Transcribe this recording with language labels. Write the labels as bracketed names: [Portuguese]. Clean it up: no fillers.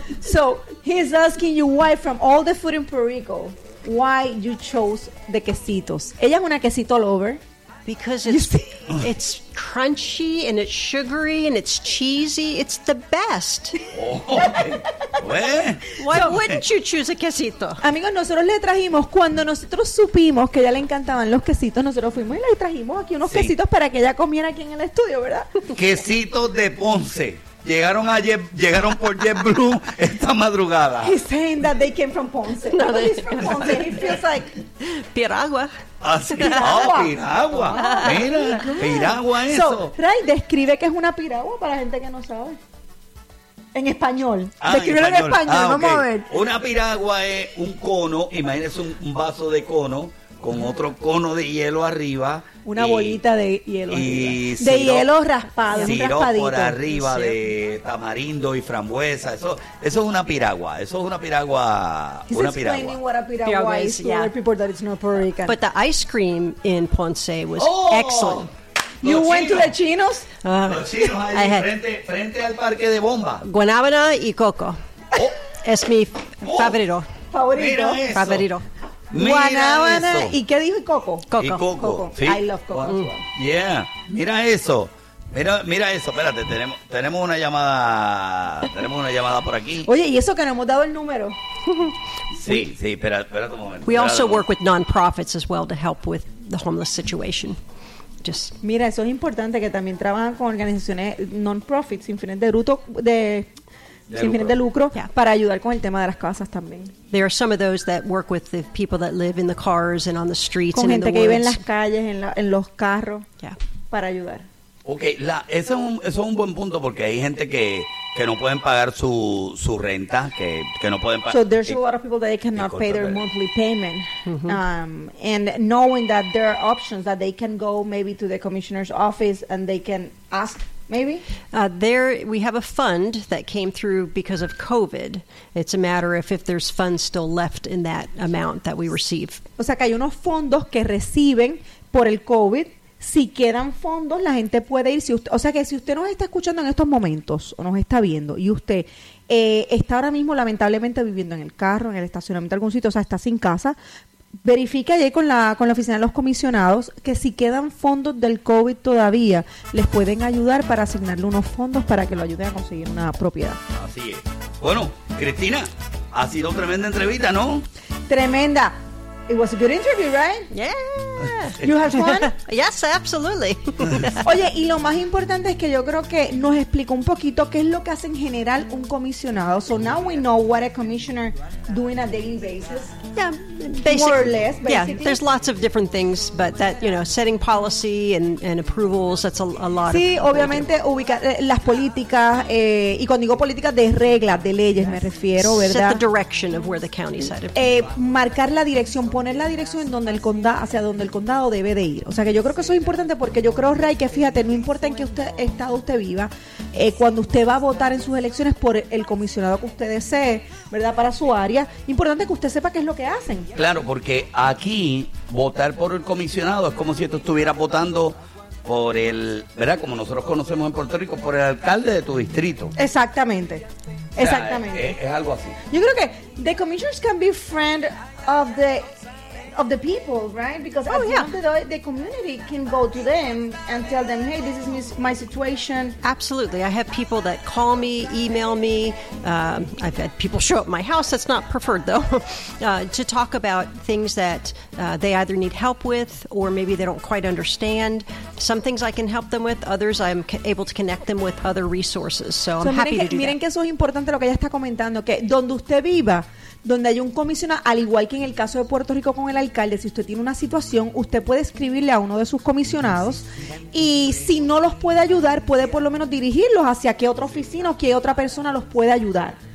[English] So, he's asking you why from all the food in Puerto Rico, why you chose the quesitos. [Spanish] Ella es una quesito [English] lover. Because it's crunchy and it's sugary and it's cheesy. It's the best. Oh, okay. Why wouldn't you choose a quesito? [Spanish] Amigos, nosotros le trajimos, cuando nosotros supimos que a ella le encantaban los quesitos, nosotros fuimos y le trajimos aquí unos quesitos para que ella comiera aquí en el estudio, ¿verdad? Quesitos de Ponce. Llegaron ayer, llegaron por JetBlue esta madrugada. [English] He's saying that they came from Ponce. [Spanish] No, [English] they're from Ponce. It feels like [Spanish] Piragua. Así. Piragua. Oh, piragua. Oh, mira, piragua eso. So, Ray, describe qué es una piragua para la gente que no sabe. En español. Describe en español. Vamos a ver. Una piragua es un cono. Imagínese un vaso de cono con otro cono de hielo arriba. Una bolita de hielo. Y de hielo raspado, un raspadito. Por arriba de tamarindo y frambuesa. Eso es una piragua. Eso es una piragua. [English] He's [Spanish] una [English] explaining piragua. What a piragua, piragua is for people that it's not Puerto Rican. But the ice cream in Ponce was excellent. You los went chinos. To the chinos? [Spanish] Los chinos ahí frente al parque de bomba. Guanábana y coco. Es mi favorito. Favorito. Favorito. Mira guanábana eso. ¿Y qué dijo? Coco. Coco. Y coco. ¿Sí? [English] I love coco. [Spanish] Yeah. Mira eso. Mira eso. Espérate, tenemos una llamada. Tenemos una llamada por aquí. Oye, ¿y eso que nos hemos dado el número? Sí, sí, espérate un momento. [English] We also work with non-profits as well to help with the homeless situation. Just. [Spanish] Mira, eso es importante, que también trabajan con organizaciones non-profits sin fines de bruto de sin fines de lucro, yeah, para ayudar con el tema de las casas también. [English] There are some of those that work with the people that live in the cars and on the streets [Spanish] con [English] and [Spanish] gente [English] in the [Spanish] que [English] woods. [Spanish] Vive en las calles, en los carros, yeah, para ayudar. Okay, eso es un buen punto, porque hay gente que no pueden pagar su renta, que no pueden pagar. [English] So there's a lot of people that they cannot pay their monthly payment. Mm-hmm. And knowing that there are options that they can go maybe to the commissioner's office and they can ask. Maybe? There, we have a fund that came through because of COVID. It's a matter of if there's funds still left in that amount that we receive. [Spanish] O sea, que hay unos fondos que reciben por el COVID. Si quedan fondos, la gente puede ir. Si usted nos está escuchando en estos momentos o nos está viendo y usted está ahora mismo lamentablemente viviendo en el carro, en el estacionamiento, algún sitio, o sea, está sin casa, verifique allí con la oficina de los comisionados que si quedan fondos del COVID todavía, les pueden ayudar para asignarle unos fondos para que lo ayuden a conseguir una propiedad. Así es. Bueno, Cristina, ha sido tremenda entrevista, ¿no? [English] Tremenda. It was a good interview, right? Yeah. You have fun? Yes, absolutely. [Spanish] Oye, y lo más importante es que yo creo que nos explicó un poquito qué es lo que hace en general un comisionado. [English] So now we know what a commissioner doing a daily basis. Yeah, more or less. Basically. Yeah, there's lots of different things, but that, you know, setting policy and approvals, that's a lot. [Spanish] Sí, obviamente ubicar las políticas, y cuando digo políticas de reglas, de leyes, me refiero, ¿verdad? [English] Set the direction of where the county's headed. [Spanish] Marcar la dirección, poner la dirección en donde el condado, hacia donde el condado debe de ir. O sea, que yo creo que eso es importante, porque yo creo, Ray, que fíjate, no importa en qué estado usted viva, cuando usted va a votar en sus elecciones por el comisionado que usted desee, ¿verdad?, para su área, importante que usted sepa qué es lo que hacen. Claro, porque aquí votar por el comisionado es como si tú estuvieras votando por el, ¿verdad?, como nosotros conocemos en Puerto Rico, por el alcalde de tu distrito. Exactamente. Exactamente. O sea, es algo así. Yo creo que [English] the commissioners can be friend of the people, right? Because at the end of the day, the community can go to them and tell them, hey, this is my situation. Absolutely. I have people that call me, email me. I've had people show up at my house. That's not preferred, though, to talk about things that they either need help with or maybe they don't quite understand. Some things I can help them with. Others I'm able to connect them with other resources. So I'm happy to do that. [Spanish] Miren que eso es importante lo que ella está comentando, que donde usted viva, donde hay un comisionado, al igual que en el caso de Puerto Rico con el alcalde, si usted tiene una situación, usted puede escribirle a uno de sus comisionados y si no los puede ayudar, puede por lo menos dirigirlos hacia qué otra oficina o qué otra persona los puede ayudar.